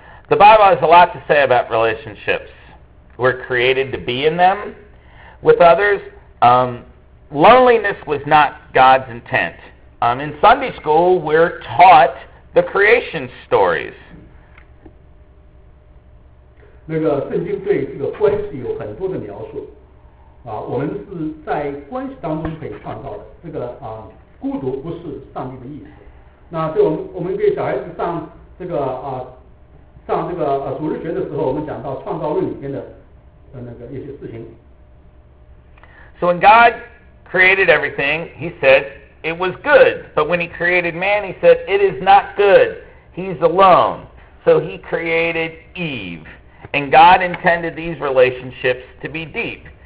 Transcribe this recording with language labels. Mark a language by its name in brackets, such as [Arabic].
[English] The Bible has a lot to say about relationships. We're created to be in them with others. Loneliness was not God's intent. In Sunday school, we're taught the creation stories. [Chinese] 那个圣经对这个关系有很多的描述，啊，我们是在关系当中可以创造的。这个啊，孤独不是上帝的意思。那对我们给小孩子上这个啊，上这个啊主日学的时候，我们讲到创造论里面的那个一些事情。 [English] So when God created everything, He said it was good. But when He created man, He said it is not good. He's alone. So He created Eve. And God intended these relationships to be deep.